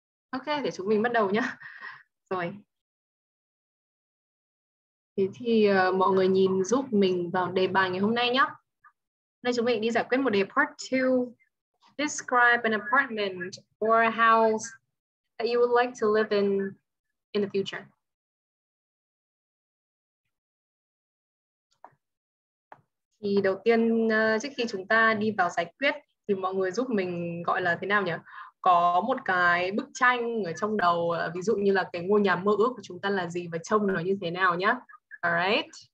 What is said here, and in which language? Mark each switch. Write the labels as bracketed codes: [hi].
[vi] Ok, để chúng mình bắt đầu nhé. Rồi. Thế thì mọi người nhìn giúp mình vào đề bài ngày hôm nay nhé. Nay chúng mình đi giải quyết một đề part 2. [en] Describe an apartment or a house that you would like to live in the future. [vi] Thì đầu tiên trước khi chúng ta đi vào giải quyết thì mọi người giúp mình gọi là thế nào nhỉ? có một cái bức tranh ở trong đầu, ví dụ như là cái ngôi nhà mơ ước của chúng ta là gì và trông nó như thế nào nhá. Alright.